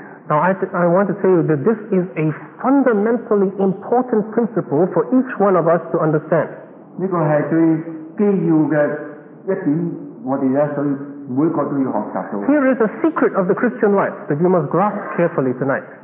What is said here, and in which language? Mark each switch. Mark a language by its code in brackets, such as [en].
[en] Now I want to tell you that this is a fundamentally important principle for each one of us to understand. [zh] 这个是最基要的一点，我们呢所以每个都要学习到。 [en] Here is a secret of the Christian life that you must grasp carefully tonight.